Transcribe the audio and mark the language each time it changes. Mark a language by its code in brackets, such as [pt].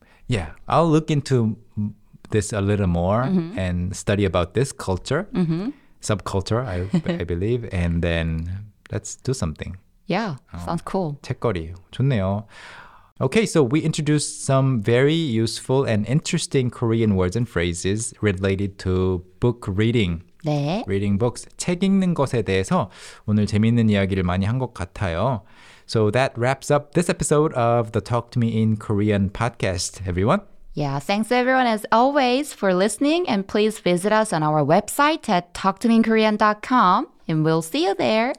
[en] Yeah, I'll look into this a little more and study about this culture, subculture, I believe, and then let's do something. Yeah, sounds cool. [ko] 책거리. 좋네요. [en] Okay, so we introduced some very useful and interesting Korean words and phrases related to book reading. [ko] 네. [en] Reading books. [ko] 책 읽는 것에 대해서 오늘 재미있는 이야기를 많이 한 것 같아요. [en] So that wraps up this episode of the Talk to Me in Korean podcast, everyone. Yeah, thanks everyone as always for listening. And please visit us on our website at talktomeinkorean.com. And we'll see you there.